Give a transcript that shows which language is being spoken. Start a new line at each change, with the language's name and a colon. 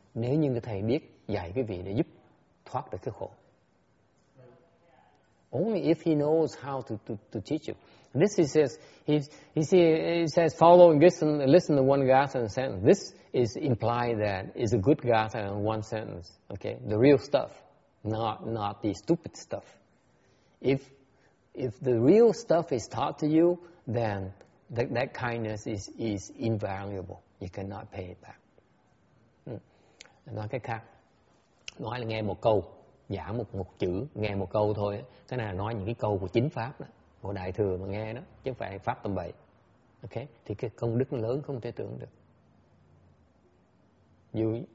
Vietnamese: Nếu như người thầy biết dạy quý vị để giúp thoát được cái khổ.
English: Only if he knows how to teach you. This is his, he says follow and listen to one gatha and sentence. This is implied that is a good gatha in one sentence. Okay, the real stuff. not the stupid stuff. If the real stuff is taught to you, then that kindness is invaluable. You cannot pay it back.
Vietnamese: Nói cách khác, nói là nghe một câu, giảng một chữ, nghe một câu thôi. Cái này là nói những cái câu của chính pháp đó, của đại thừa mà nghe đó, chứ không phải pháp tầm bậy. Okay, thì cái công đức nó lớn không thể tưởng được.